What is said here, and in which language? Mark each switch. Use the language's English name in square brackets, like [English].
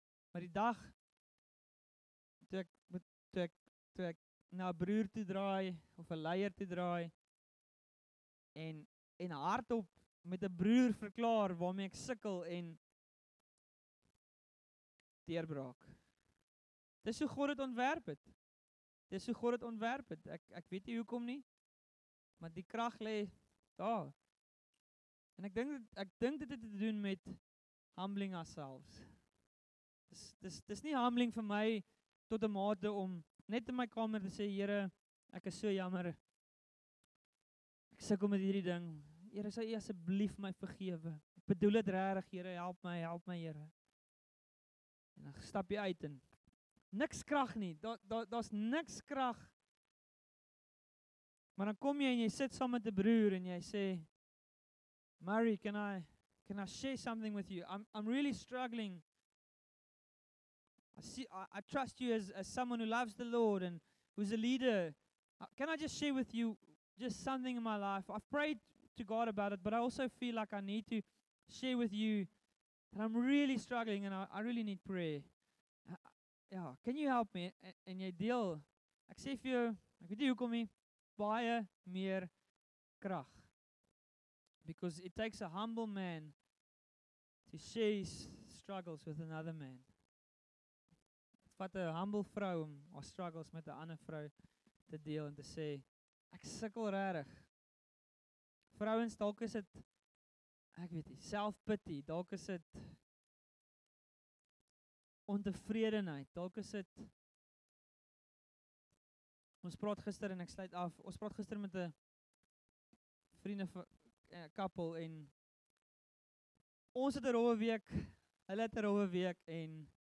[Afrikaans] Maar die dag, toe ek na 'n broer toe draai, of 'n leier toe draai, en hardop met 'n broer verklaar waarmee ek sukkel en deurbraak. Dis hoe God het ontwerp het. Dis hoe God het ontwerp het. Ek weet nie hoekom nie, maar die krag lê daar. En ek dink dit het te doen met [English] humbling ourselves. [Afrikaans] Dis nie humbling vir my tot 'n mate om net in my kamer te sê, Here, ek is so jammer. Ek sukkel met hierdie ding. Here, sou U asseblief my vergewe? Ek bedoel dit regtig, Here, help my, Here. En dan stap jy uit en niks krag nie. Daar's niks krag. Maar dan kom jy en jy sit saam met 'n broer en jy sê, Mary, [English] can I share something with you? I'm really struggling. I trust you as someone who loves the Lord and who's a leader. Can I just share with you just something in my life? I've prayed to God about it, but I also feel like I need to share with you that I'm really struggling and I really need prayer. Can you help me? [Afrikaans] En jy deel, ek sê vir jou, ek weet nie hoekom nie, baie meer krag. [English] Because it takes a humble man to share his struggles with another man. [Afrikaans] wat 'n humble vrou om haar struggles met 'n ander vrou te deel en te sê, ek sukkel regtig. Vrouens, dalk is dit, ek weet nie, self-pity, dalk is dit ontevredenheid, dalk is dit, ons praat gister en ek sluit af, ons praat gister met 'n vriende couple en ons het 'n rowwe week, hulle het 'n rowwe week en